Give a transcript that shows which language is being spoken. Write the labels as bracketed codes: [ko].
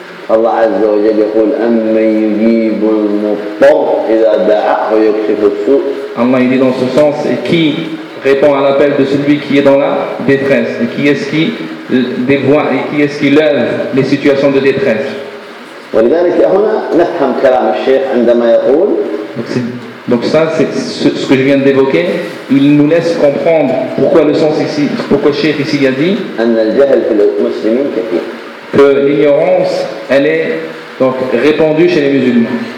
[ar] الله عز وجل يقول أمن يجيب المضطر إذا دعاه ويكشف السوء. الله يدي [fr] dans ce sens et qui répond à l'appel de celui qui est dans la détresse et qui est-ce qui dévoie et qui est-ce qui lève les situations de détresse. [ar] ولذلك هنا نفهم كلام الشيخ عندما يقول. [fr] Donc ça c'est ce que je viens d'évoquer, il nous laisse comprendre pourquoi le sens ici, pourquoi le cheikh ici a dit. [ar] أن الجهل في المسلمين كثير. [fr] Que l'ignorance, elle est donc répandue chez les musulmans.